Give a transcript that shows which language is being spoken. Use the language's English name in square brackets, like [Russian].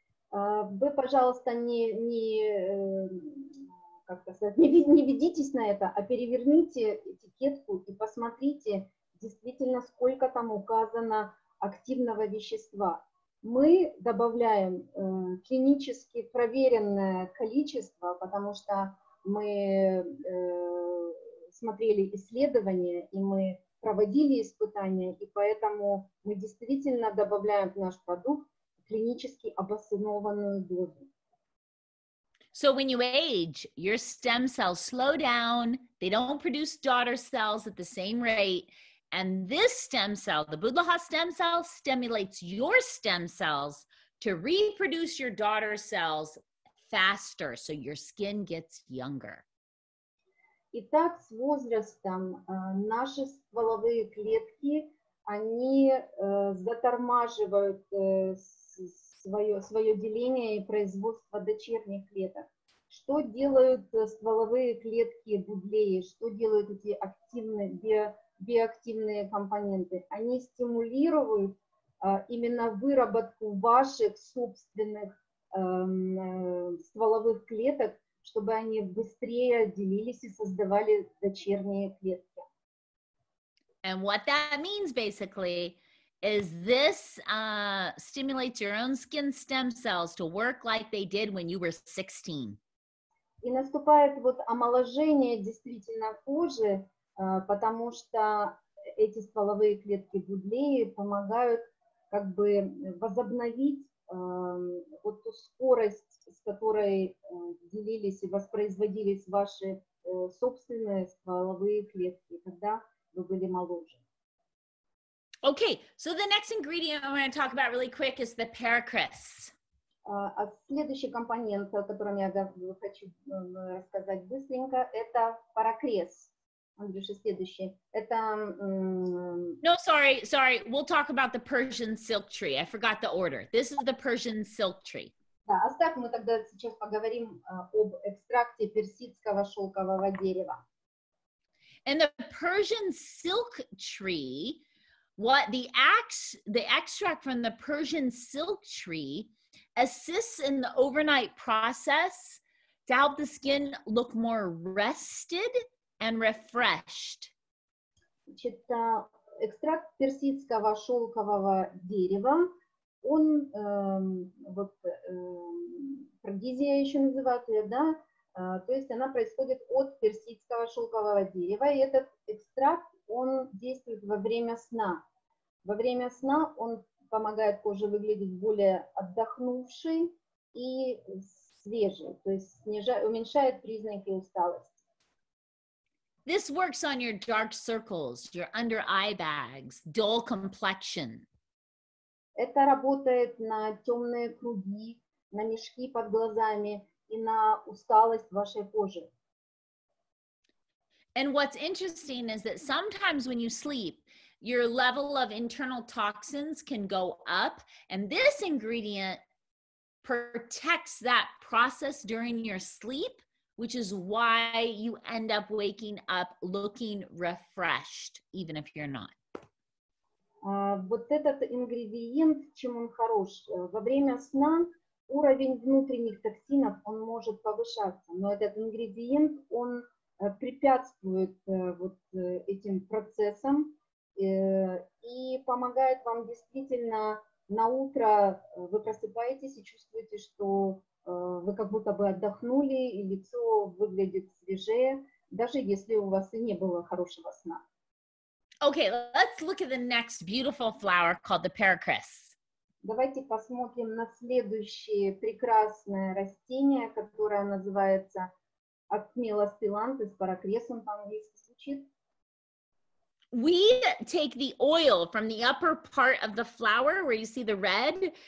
[Russian] Вы, пожалуйста, не ведитесь на это, а переверните этикетку и посмотрите действительно, сколько там указано активного вещества. Мы добавляем клинически проверенное количество, потому что мы смотрели исследования, и мы проводили испытания, и поэтому мы действительно добавляем в наш продукт клинически обоснованную дозу. [English] So when you age, your stem cells slow down, they don't produce daughter cells at the same rate. And this stem cell, the budlaha stem cell, stimulates your stem cells to reproduce your daughter cells faster, so your skin gets younger. [Russian] Итак, с возрастом наши стволовые клетки, они затормаживают свое деление и производство дочерних клеток. Что делают стволовые клетки бублеи, что делают эти активные биоактивные компоненты? Они стимулируют именно выработку ваших собственных стволовых клеток, чтобы они быстрее делились и создавали дочерние клетки. [English] And what that means basically is this stimulates your own skin stem cells to work like they did when you were 16. [Russian] И наступает вот омоложение действительно кожи, потому что эти стволовые клетки бублеи помогают как бы возобновить вот ту скорость, с которой делились и воспроизводились ваши собственные стволовые клетки, когда вы были моложе. [English] Okay, so the next ingredient I'm going to talk about really quick is the paracris. [Russian] А следующий компонент, о котором я хочу рассказать быстренько, это паракрес. Андрюша, следующий. Это... [English] No, sorry. We'll talk about the Persian silk tree. I forgot the order. This is the Persian silk tree. [Russian] Да, оставь, мы тогда сейчас поговорим об экстракте персидского шелкового дерева. [English] And the Persian silk tree, what the extract from the Persian silk tree assists in the overnight process to help the skin look more rested and refreshed. [Russian] Значит, экстракт персидского шелкового дерева, он, вот, прогизия еще называют ее, да, то есть она происходит от персидского шелкового дерева, и этот экстракт, он действует во время сна. Во время сна он помогает коже выглядеть более отдохнувшей и свежей, то есть уменьшает признаки усталости. [English] This works on your dark circles, your under eye bags, dull complexion. [Russian] Это работает на темные круги, на мешки под глазами и на усталость вашей кожи. [English] And what's interesting is that sometimes when you sleep, your level of internal toxins can go up, and this ingredient protects that process during your sleep, which is why you end up waking up looking refreshed, even if you're not. [Russian] Вот этот ингредиент, чем он хорош? Во время сна уровень внутренних токсинов, он может повышаться, но этот ингредиент, он препятствует вот этим процессам, и помогает вам действительно на утро вы просыпаетесь и чувствуете, что вы как будто бы отдохнули, и лицо выглядит свежее, даже если у вас и не было хорошего сна. [English] Okay, let's look at the next beautiful flower called the paracris. [Russian] Давайте посмотрим на следующее прекрасное растение, которое называется акмелоспилантус, паракрес он по-английски звучит. [English] We take the oil from the upper part of the flower where you see the red.